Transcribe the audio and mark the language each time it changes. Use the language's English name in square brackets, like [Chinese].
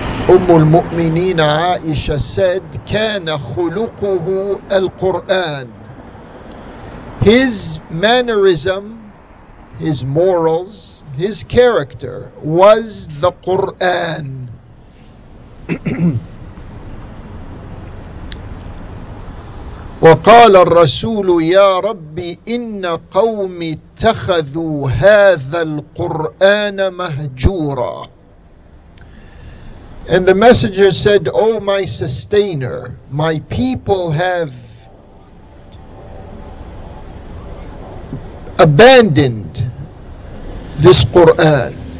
[Arabic] أم المؤمنين عائشة [English] said [Arabic] كان خلقه القرآن. [English] His mannerism, his morals, his character was the Qur'an. [Arabic] وقال الرسول يا ربي إن قومي اتخذوا هذا القرآن مهجورا. [English] And the messenger said, O my sustainer, my people have abandoned this Qur'an.